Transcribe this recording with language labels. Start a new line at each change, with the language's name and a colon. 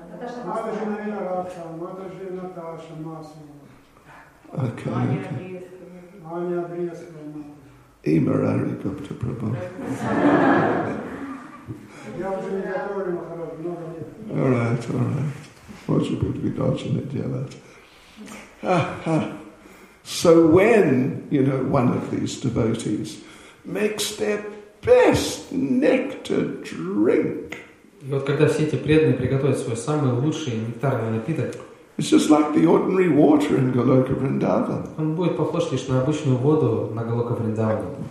Russian: Это же Наташа, это же Наташа Масова.
English: Okay, okay.
Russian: Аня Брестова. Имара Арикопта Прабху. Я уже не готовлю, но много лет.
English: All right, all right.
Russian: Может быть, вы должны делать.
English: So when, you know, one of these devotees makes their best nectar drink.
Russian: И вот когда все эти преданные приготовят свой самый лучший нектарный напиток,
English: it's just like the ordinary water in Goloka Vrindavan.
Russian: Он будет похож лишь на обычную воду на Голока Вриндаване.